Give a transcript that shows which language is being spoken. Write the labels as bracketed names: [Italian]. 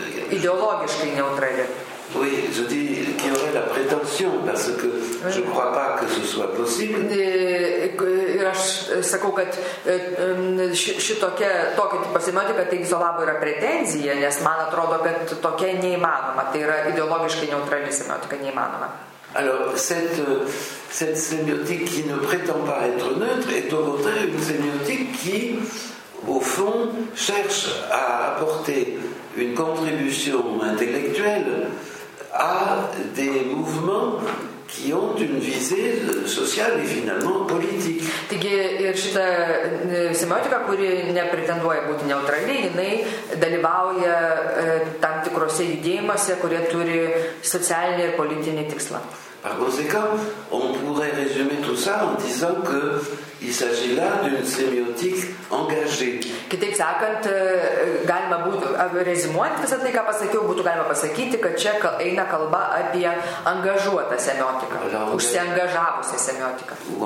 [French] Idéologiquement neutre. Oui, je dis qu'il y aurait la prétention parce que je crois pas que ce soit possible. [Lithuanian] Ir aš sakau, kad šitokia tipo semiotika tai viso labo yra pretenzija, nes man atrodo, kad tokia neįmanoma, tai yra ideologiškai neutrali semiotika neįmanoma. [French] Alors, cette sémiotique qui ne prétend pas être neutre est au contraire une sémiotique qui au fond cherche à apporter une contribution intellectuelle à des mouvements qui ont une visée sociale et finalement politique. [Lithuanian] Taigi ir šita semiotika, kuri nepretenduoja būti neutrali, jinai dalyvauja tam tikrose judėjimuose, kurie turi socialinį ir politinį tikslą. [French] Par conséquent, on pourrait résumer tout ça en disant qu'il s'agit là d'une sémiotique engagée. [Lithuanian] Kitaip sakant, galima būtų rezumuoti visą tai, ką pasakiau, būtų galima pasakyti, kad čia eina kalba apie angažuotą semiotiką, užsiangažavusią semiotiką.